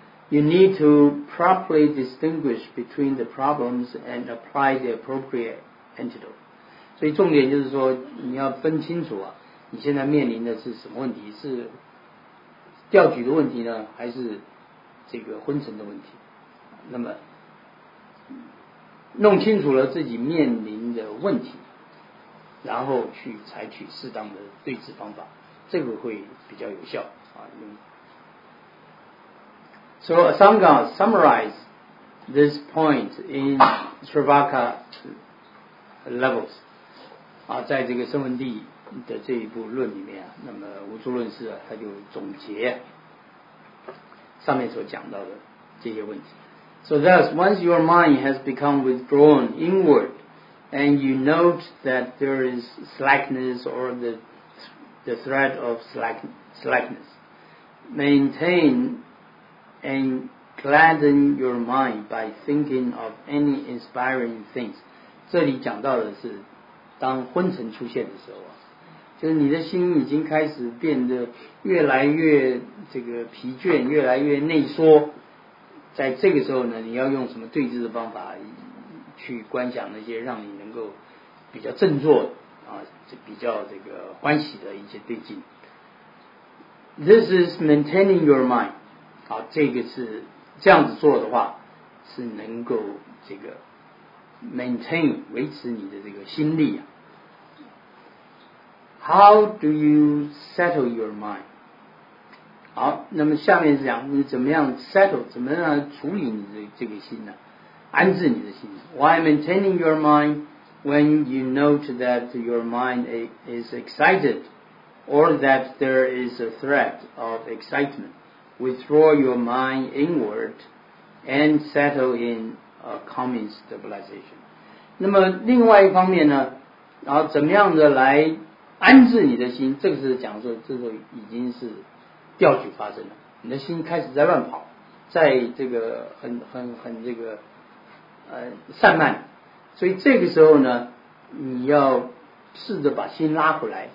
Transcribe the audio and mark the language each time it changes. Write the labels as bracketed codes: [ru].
[en] You need to properly distinguish between the problems and apply the appropriate antidote. [zh] 所以重点就是说，你要分清楚啊，你现在面临的是什么问题？是调举的问题呢，还是这个昏沉的问题？那么弄清楚了自己面临的问题，然后去采取适当的对治方法，这个会比较有效啊。 [en] So Asanga summarized this point in Srivaka levels. [zh] 啊，在这个声闻地的这一部论里面啊，那么无著论师啊，他就总结上面所讲到的这些问题。 [en] So thus, once your mind has become withdrawn inward, and you note that there is slackness or the threat of slackness, maintain and gladden your mind by thinking of any inspiring things. [zh] 这里讲到的是当昏沉出现的时候啊，就是你的心已经开始变得越来越这个疲倦，越来越内缩，在这个时候呢，你要用什么对治的方法去观想那些让你能够比较振作啊，比较这个欢喜的一些对境。 [en] This is maintaining your mind. [zh] 啊，这个是这样子做的话，是能够这个 maintain 维持你的这个心力啊。 [en] How do you settle your mind? [zh] 好，那么下面是讲你怎么样 settle, 怎么样处理你的这个心呢，安置你的心。 [en] Why maintaining your mind when you note that your mind is excited or that there is a threat of excitement? Withdraw your mind inward and settle in a calming stabilization. [zh] 那么另外一方面呢，然后怎么样的来安置你的心，这个是讲说这个已经是调举发生了，你的心开始在乱跑，在这个很这个散漫，所以这个时候呢，你要试着把心拉回来。